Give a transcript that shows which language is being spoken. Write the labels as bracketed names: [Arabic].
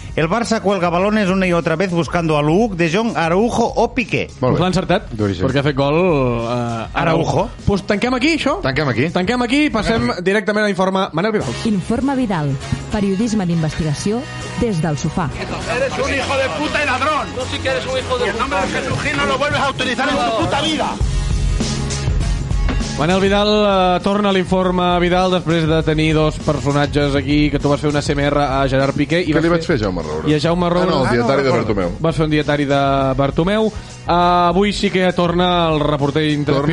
[Spanish] El Barça cuelga balones una i otra vez buscando a Luuk, De Jong, Araujo o Piqué. [Catalan] L'ha encertat, perquè ha fet gol Araujo. Doncs pues tanquem aquí, això. Tanquem aquí i passem directament a l'informe Manel Vidal. Informe Vidal, periodisme d'investigació des del sofà. [Spanish] Eres un hijo de puta y ladrón. No, si que eres un hijo de puta. El nombre de Jesús Gil no lo vuelves a utilizar en tu puta vida. [Catalan] Manel Vidal torna a l'informe Vidal després de tenir dos personatges aquí, que tu vas fer una ASMR a Gerard Piqué. I què li vaig fer a Jaume Roura? I a Jaume Roura. Ah, no, el dietari de Bartomeu. Vas fer un dietari de Bartomeu. Avui sí que torna el reporter intrepid.